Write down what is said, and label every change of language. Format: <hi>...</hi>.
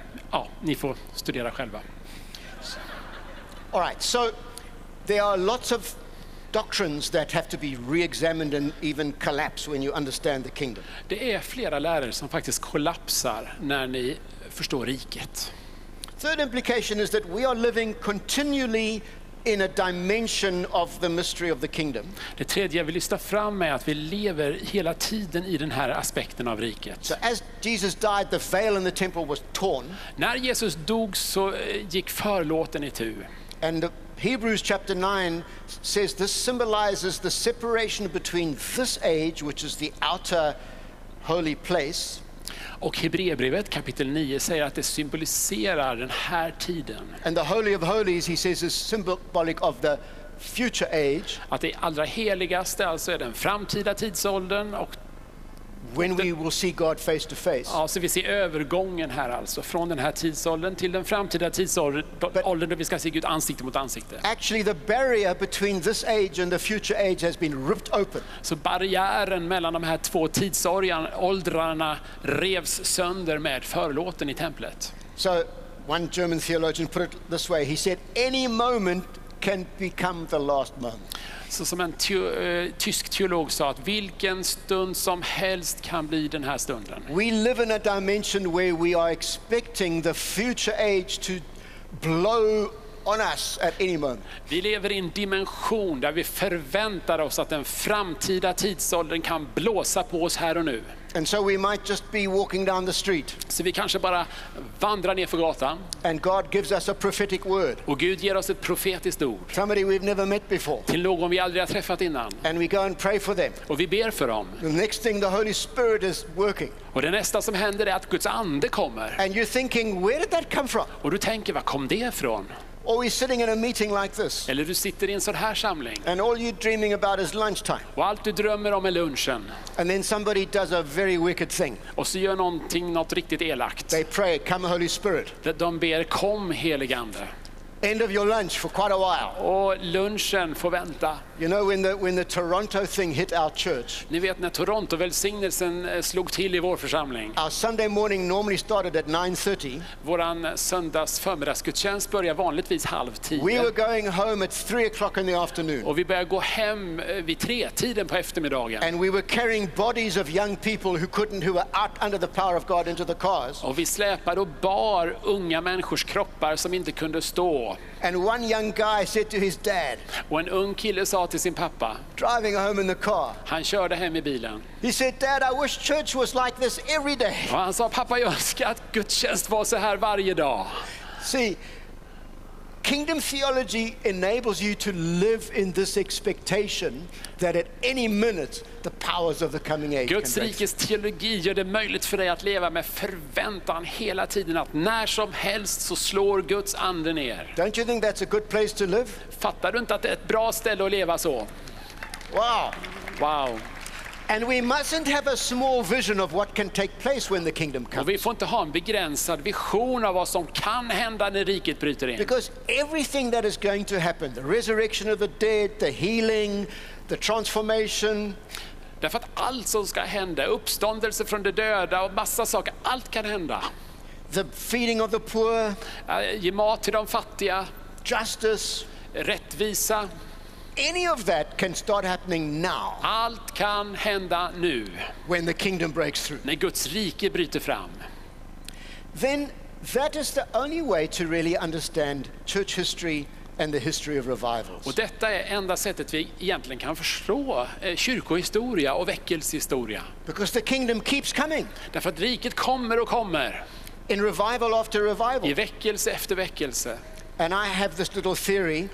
<sv>Ja, ni får studera själva.</sv> <en>All right, so there are lots of doctrines that have to be re-examined and even collapse when you understand the kingdom.</en> <sv>Det är flera läror som faktiskt kollapsar när ni förstår riket.</sv> <en>Third implication is that we are living continually in a dimension of the mystery of the kingdom.</en> <sv>Det tredje jag vill lyfta fram är att vi lever hela tiden I den här aspekten av riket.</sv> <en>So as Jesus died, the veil in the temple was torn.</en> <sv>När Jesus dog så gick förlåten itu.</sv> <en>And Hebrews chapter 9 says this symbolizes the separation between this age, which is the outer holy place.</en> <sv>Och Hebreerbrevet kapitel 9 säger att det symboliserar den här tiden.</sv> <en>And the holy of holies, he says, is symbolic of the future age.</en> <sv>Att det allra heligaste, alltså är den framtida tidsåldern och</sv> <en>when we will see God face to face.</en> <sv>Ja, så vi ser övergången här alltså från den här tidsåldern till den framtida tidsåldern då vi ska se Gud ansikte mot ansikte.</sv> <en>Actually the barrier between this age and the future age has been ripped open.</en> <sv>Så barriären mellan de här två tidsåldrarna revs sönder med förlåten I templet.</sv> <en>So one German theologian put it this way. He said any moment can become the last moment.</en> <sv>Så som en tysk teolog sa att vilken stund som helst kan bli den här stunden.</sv> <en>We live in a dimension where we are expecting the future age to blow on us at any moment.</en> <sv>Vi lever I en dimension där vi förväntar oss att den framtida tidsåldern kan blåsa på oss här och nu.</sv> <en>And so we might just be walking down the street.</en> <sv>Så vi kanske bara vandrar ner för gatan.</sv> <en>And God gives us a prophetic word.</en> <sv>Och Gud ger oss ett profetiskt ord.</sv> <en>Somebody we've never met before.</en> <sv>Till någon vi aldrig har träffat innan.</sv> <en>And we go and pray for them.</en> <sv>Och vi ber för dem.</sv> <en>The next thing the Holy Spirit is working.</en> <sv>Och det nästa som händer är att Guds ande kommer.</sv> <en>And you're thinking, where did that come from?</en> <sv>Och du tänker, var kom det ifrån?</sv> <en>Or we're sitting in a meeting like this.</en> <sv>Eller du sitter I en sån här samling.</sv> <en>And all you're dreaming about is lunchtime.</en> <sv>Och allt du drömmer om är lunchen.</sv> <en>And then somebody does a very wicked thing.</en> <sv>Och så gör någonting något riktigt elakt.</sv> <en>They pray, come Holy Spirit.</en> <sv>De ber, kom helige ande.</sv> <en>End of your lunch for quite a while.</en> <sv>Och lunchen får vänta.</sv> <en>You know when the Toronto thing hit our church.</en> <sv>Ni vet när Toronto välsignelsen slog till I vår församling.</sv> <en>Our Sunday morning normally started at 9:30.</en> <sv>Våran söndags förmiddagsgudstjänst börjar vanligtvis 9:30.</sv> <en>We were going home at 3:00 in the afternoon.</en> <sv>Och vi började gå hem vid 3-tiden på eftermiddagen.</sv> <en>And we were carrying bodies of young people who were out under the power of God into the cars.</en> <sv>Och vi släpade och bar unga människors kroppar som inte kunde stå.</sv> <en>And one young guy said to his dad.</en> <sv>When ung kille sa till sin pappa.</sv> <en>Driving home in the car.</en> <sv>Han körde hem I bilen.</sv> <en>He said, "Dad, I wish church was like this every day."</en> <sv>Och han sa, pappa, jag önskar att gudstjänst var så här varje dag.</sv> <en>See, kingdom theology enables you to live in this expectation that at any minute the powers of the coming age.</en> <sv>Guds rikes teologi gör det möjligt för dig att leva med förväntan hela tiden att när som helst så slår Guds ande ner.</sv> <en>Don't you think that's a good place to live?</en> <sv>Fattar du inte att det är ett bra ställe att leva så? Wow. Wow.</sv> <en>And we mustn't have a small vision of what can take place when the kingdom comes.</en> <sv>Vi får inte ha en begränsad vision av vad som kan hända när riket bryter in.</sv> <en>Because everything that is going to happen, the resurrection of the dead, the healing, the transformation,</en> <sv>därför att allt som ska hända, uppståndelse från de döda och massa saker, allt kan hända.</sv> <en>The feeding of the poor,</en> <sv>ge mat till de fattiga,</sv> <en>justice,</en> <sv>rättvisa.</sv> <en>Any of that can start happening now.</en> <sv>Allt kan hända nu.</sv> <en>When the kingdom breaks through.</en> <sv>När Guds rike bryter fram.</sv> <en>Then that is the only way to really understand church history and the history of revivals.</en> <sv>Och detta är enda sättet vi egentligen kan förstå kyrkohistoria och väckelsehistoria.</sv> <en>Because the kingdom keeps coming.</en> <sv>Därför att riket kommer och kommer.</sv> <en>In revival after revival.</en> <sv>I väckelse efter väckelse.</sv> <en>And I have this little theory.</en>